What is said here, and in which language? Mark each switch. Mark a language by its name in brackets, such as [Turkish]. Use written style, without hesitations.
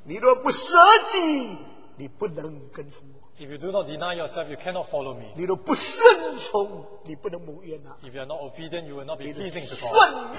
[Chinese] 舍己顺从生命，大家说。你若不舍己，你不能跟从我。 [English] If you do not deny yourself, you cannot follow me. [Chinese] 你若不顺从，你不能蒙恩啊。 [English] If you are not obedient, you will not be pleasing to God.